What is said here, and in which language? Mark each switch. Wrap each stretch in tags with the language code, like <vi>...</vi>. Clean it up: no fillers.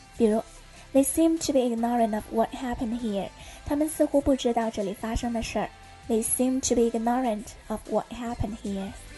<zh>比如</zh> <en>They seem to be ignorant of what happened here.</en> <zh>他们似乎不知道这里发生的事儿。</zh> <en>They seem to be ignorant of what happened here.</en>